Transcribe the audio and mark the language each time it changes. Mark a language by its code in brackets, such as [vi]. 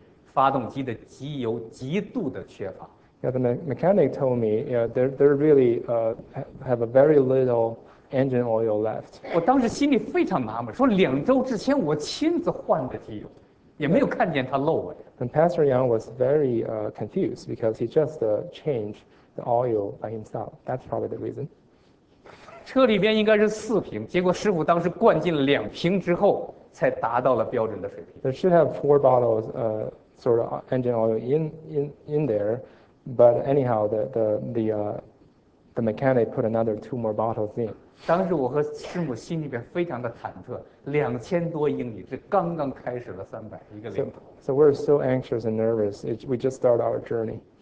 [zh] 那经过师傅的检查以后呢，确认说是发动机的机油极度的缺乏。 [en] Yeah, the mechanic told me they're really have a very little engine oil left. [zh] 我当时心里非常纳闷，说2周之前我亲自换的机油，也没有看见它漏了。 [en] And Pastor Yang was very confused because he just changed the oil by himself. That's probably the reason. [zh] 车里边应该是4瓶，结果师傅当时灌进了2瓶之后，才达到了标准的水平。 [en] There should have 4 bottles sort of engine oil in there, but anyhow, the mechanic put another 2 more bottles in. [zh] 当时我和师母心里边非常的忐忑，2000多英里，这刚刚开始了300，一个零头。 [en] So we're so anxious and nervous. We just start our journey.